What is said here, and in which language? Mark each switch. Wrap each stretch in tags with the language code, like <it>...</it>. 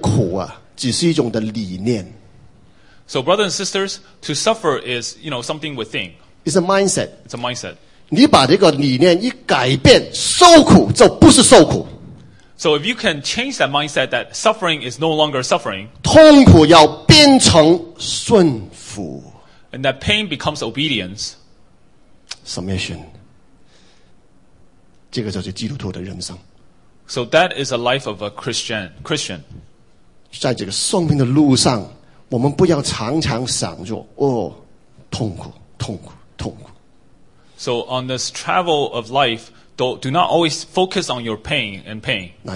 <zh>弟兄姐妹，这个受苦啊，只是一种的理念。</zh> <en>So brothers and sisters, to suffer is, you know, something within. It's a mindset. It's a mindset.</en> <zh>你把这个理念一改变,受苦就不是受苦。</zh> <en>So if you can change that mindset that suffering is no longer suffering.</en> <zh>痛苦要变成顺服。</zh> <en>And that pain becomes obedience. Submission.</en> <zh>这个就是基督徒的人生。</zh> <en>So that is a life of a Christian.</en> <zh>在这个生命的路上, 我们不要常常想着,哦,痛苦,痛苦,痛苦。</zh> <en>So on this travel of life, do not always focus on your pain and pain.</en>